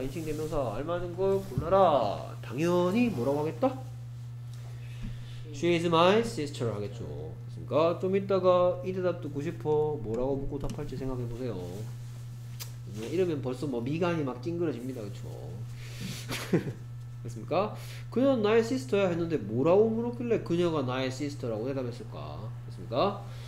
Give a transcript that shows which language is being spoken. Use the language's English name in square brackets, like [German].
[Korean] 인칭 대명사 알맞은 걸 골라라. 당연히 뭐라고 하겠다? [English] She is my sister 하겠죠. [Korean] 좀 이따가 이 대답 듣고 싶어 뭐라고 묻고 답할지 생각해보세요. 이러면 벌써 뭐 미간이 막 찡그러집니다. 그쵸? 됐습니까? 그녀는 나의 시스터야 했는데 뭐라고 물었길래 그녀가 나의 시스터라고 대답했을까? 됐습니까?